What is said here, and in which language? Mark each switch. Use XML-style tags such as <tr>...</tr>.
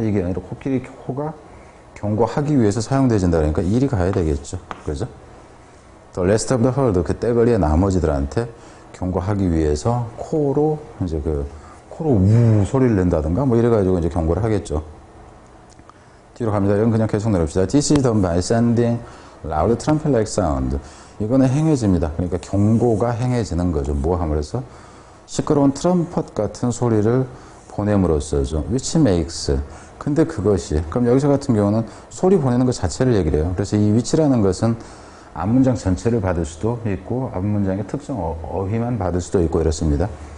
<ko>이게 아니라 코끼리 코가 경고하기 위해서 사용되어진다. 그러니까 이리 가야 되겠죠. 그죠?</ko> <en>The rest of the herd,</en> <ko>그 떼거리의 나머지들한테 경고하기 위해서 코로 이제 그 코로 우 소리를 낸다든가 뭐 이래가지고 이제 경고를 하겠죠. 뒤로 갑니다. 이건 그냥 계속 내립시다.</ko> <en>This is the my sending loud trumpet-like sound.</en> <ko>이거는 행해집니다. 그러니까 경고가 행해지는 거죠. 뭐 함으로써 시끄러운 트럼펫 같은 소리를 보냄으로써죠.</ko> <en>Which makes.</en> <ko>근데 그것이. 그럼 여기서 같은 경우는 소리 보내는 것 자체를 얘기를 해요. 그래서 이 위치라는 것은 앞문장 전체를 받을 수도 있고 앞문장의 특정 어휘만 받을 수도 있고 이렇습니다.</ko>